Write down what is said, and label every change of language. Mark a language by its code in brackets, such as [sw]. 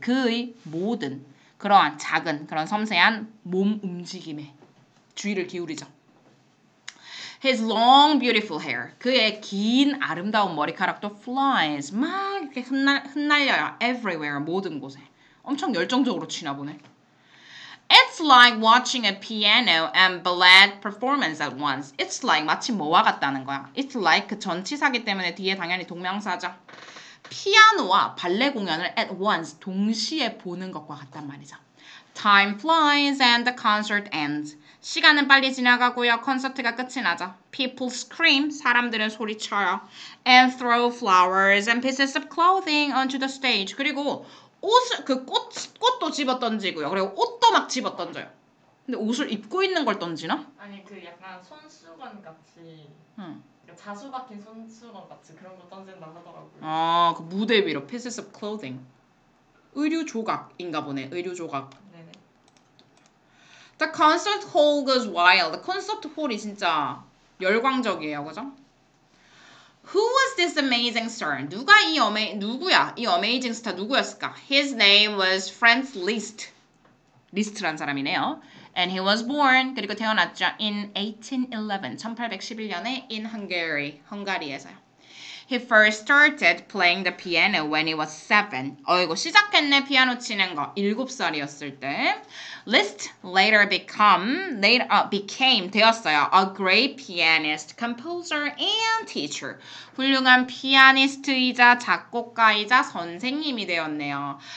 [ko] 그의 모든 그러한 작은 그런 섬세한 몸 움직임에 주의를 기울이죠. [en] His long beautiful hair. [ko] 그의 긴 아름다운 머리카락도 [en] flies. [ko] 막 이렇게 흩날려요. [en] Everywhere. [ko] 모든 곳에. 엄청 열정적으로 치나 보네. [en] It's like watching a piano and ballet performance at once. It's like [ko] 마치 뭐와 같다는 거야. It's like 전치사기 때문에 뒤에 당연히 동명사죠. 피아노와 발레 공연을 [en] at once [ko] 동시에 보는 것과 같단 말이죠. [en] Time flies and the concert ends. [ko] 시간은 빨리 지나가고요. 콘서트가 끝이 나죠. [en] People scream. [ko] 사람들은 소리쳐요. [en] And throw flowers and pieces of clothing onto the stage. [ko] 그리고 옷을 그 꽃도 집어 던지고요. 그리고 옷도 막 집어 던져요. 근데 옷을 입고 있는 걸 던지나? 아니 그 약간 손수건 같이, 응. 자수 박힌 손수건 같이 그런 거 던진다 하더라고요. 아, 그 무대 위로 [en] pieces of clothing, [ko] 의류 조각인가 보네. 의류 조각. 네네. [en] The concert hall goes wild. [ko] 콘서트 홀이 진짜 열광적이에요, 그죠? [en] Who was this amazing star? [ko] 누가 이 어메 누구야? 이 [en] amazing star [ko] 누구였을까? [en] His name was Franz Liszt. [ko] Liszt란 사람이네요. [en] And he was born [ko] 그리고 태어났죠. [en] In 1811, [ko] 1811년에 [en] in Hungary, [ko] 헝가리에서요. [en] He first started playing the piano when he was 7. [ko] 어이고 시작했네 피아노 치는 거. 7살이었을 때. Liszt [en] later became [ko] 되었어요. [en] A great pianist, composer and teacher. [ko] 훌륭한 피아니스트이자 작곡가이자 선생님이 되었네요.